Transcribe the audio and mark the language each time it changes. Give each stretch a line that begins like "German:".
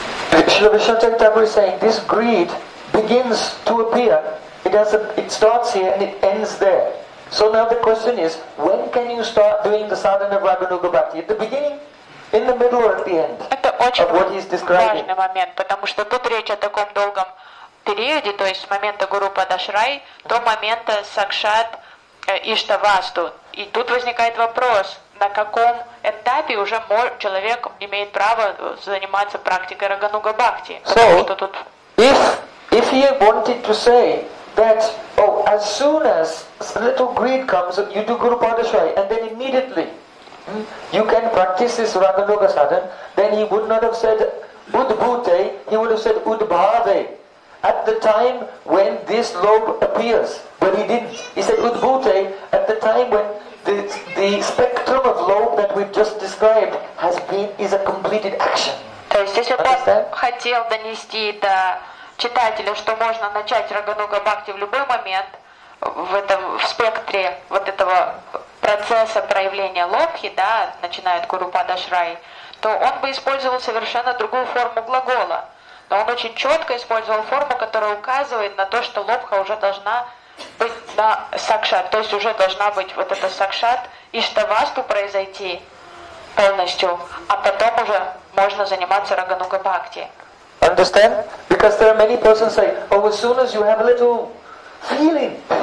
English: Because Śrīla Vishnu Thakura is saying this greed begins to appear. It starts here and it ends there. So now the question is, when can you start doing the sadhana of Raghunuga Bhakti? At the beginning, in the middle, or at the end?
Russian: Это очень важный момент, потому что тут речь о таком долгом периоде, то есть с момента Гуру Падашрай до момента Сакшат Иштавасту. И тут возникает вопрос, на каком этапе уже человек имеет право заниматься практикой Рагануга Бхакти.
English: So,
Russian: тут...
English: if he wanted to say that, oh, as soon as a little greed comes, you do Guru Padashai, and then immediately you can practice this Raganuga Sadhan, then he would not have said Udbhute, he would have said Udbhave, at the time when this lobe appears. But he didn't. He said Udbhute at the time when the spectrum of lobe that we've just described is a completed action.
Russian: То есть, если бы хотел донести до читателя, что можно начать Рагануга Бхакти в любой момент в спектре вот этого процесса проявления лобхи, да, начиная от Гуру Падашрай, то он бы использовал совершенно другую форму глагола. Но он очень четко использовал форму, которая указывает на то, что лобха уже должна быть на сакшат, то есть уже должна быть вот эта сакшат иштавасту произойти полностью, а потом уже можно заниматься Рагануга Бхакти.
English: Understand? Because there are many persons say, oh, as soon as you have a little feeling,